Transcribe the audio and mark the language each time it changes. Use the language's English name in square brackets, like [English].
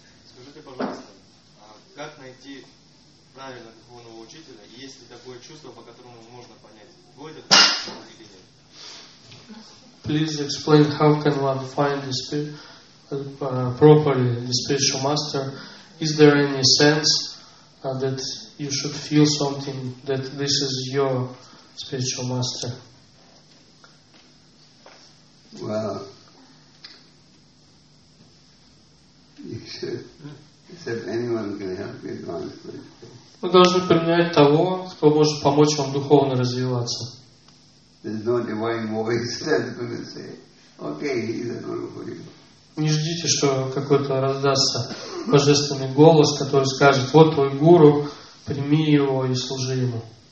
[Russian] Скажите, пожалуйста, а как найти правильно духовного учителя, и есть ли такое чувство, по которому можно понять, будет это или нет? [English] Please explain how can one find the spirit, properly the spiritual master. Is there any sense that you should feel something that this is your spiritual master? Well, you should. Except anyone can help you honestly. [Russian] Вы должны принять того, кто может помочь вам духовно развиваться. [English] There's no divine voice that's going to say, okay, he's a guru for you. [Russian] Не ждите, что какой-то раздастся божественный голос, который скажет, вот твой гуру, прими его и служи ему.